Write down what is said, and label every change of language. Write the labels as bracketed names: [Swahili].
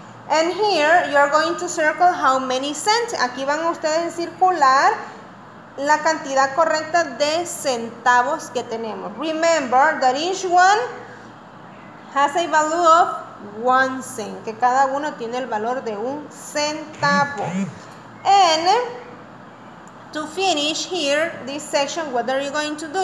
[English] And here you're going to circle how many cents. [Spanish] Aquí van ustedes a circular la cantidad correcta de centavos que tenemos. [English] Remember that each one has a value of 1 cent. [Spanish] Que cada uno tiene el valor de un centavo. [English] And to finish here this section, what are you going to do?